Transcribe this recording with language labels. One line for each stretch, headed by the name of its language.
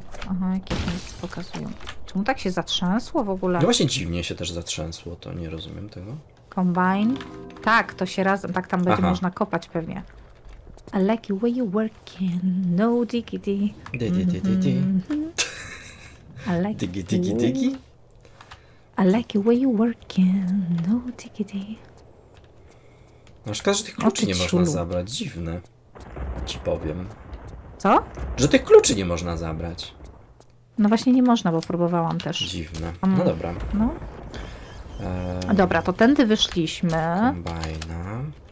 Polish: Aha, jakieś miejsce pokazują. No tak się zatrzęsło w ogóle. No właśnie dziwnie się też zatrzęsło, to nie rozumiem tego.
English: Combine?
Polish: Tak, to się razem, tak tam będzie. Aha. Można kopać pewnie.
English: I like the way you working, no diggity. Di-di-di-di-di. Diggity-diggity. I like the way you working, no diggity.
Polish: No szkoda, że tych kluczy nie można zabrać, dziwne. Ci powiem. Co? Że tych kluczy nie można zabrać. No właśnie nie można, bo próbowałam też. Dziwne. No dobra. No. Dobra, to tędy wyszliśmy. Kombajna.